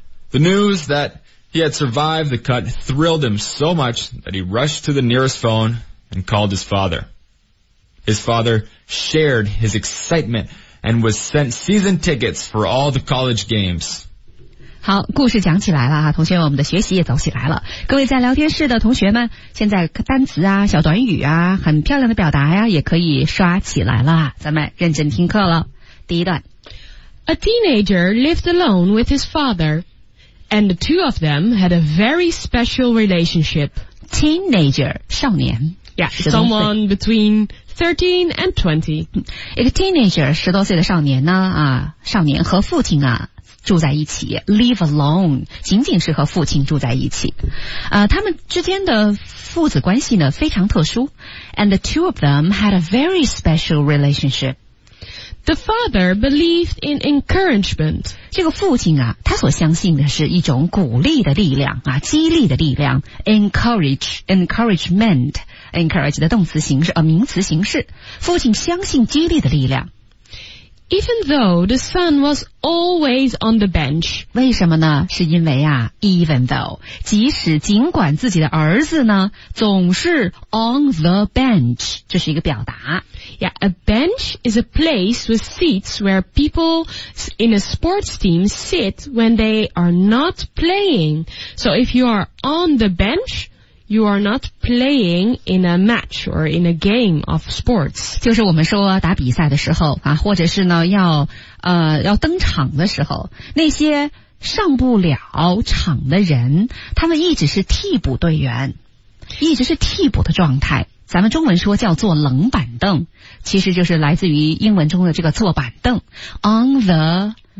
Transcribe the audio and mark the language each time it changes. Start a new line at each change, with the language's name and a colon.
English: The news that he had survived the cut thrilled him so much that he rushed to the nearest phone and called his father. His father shared his excitement and was sent season tickets for all the college games.
Chinese: 好，故事讲起来了啊，同学们，我们的学习也走起来了。各位在聊天室的同学们，现在单词啊、小短语啊、很漂亮的表达呀，也可以刷起来了。咱们认真听课了。第一段
English: ，A teenager lived alone with his father, and the two of them had a very special relationship. Teenager， 少年。 Someone between 13 and 20.
Chinese: 一个 teenager， 十多岁的少年呢啊，少年和父亲啊住在一起 ，
English: live alone，
Chinese: 仅仅是和父亲住在一起。他们之间的父子关系呢非常特殊 ，
English: and the two of them had a very special relationship. The father believed in encouragement.
Chinese: 这个父亲啊，他所相信的是一种鼓励的力量啊，激励的力量 ，encouragement。 Encourage 的动词形式，名词形式。父亲相信激励的力量。
English: Even though the son was always on the bench.
Chinese: 为什么呢？是因为啊 ,
English: even though,
Chinese: 即使尽管自己的儿子呢总是
English: on the bench,
Chinese: 这是一个表达。
English: Yeah, a bench is a place with seats where people in a sports team sit when they are not playing. So if you are on the bench,You are not playing in a match or in a game of sports.
Chinese: 就是我们说打比赛的时候啊，或者是呢要登场的时候，那些上不了场的人，他们一直是替补队员，一直是替补的状态。咱们中文说叫做冷板凳，其实就是来自于英文中的这个坐板凳 ，
English: on the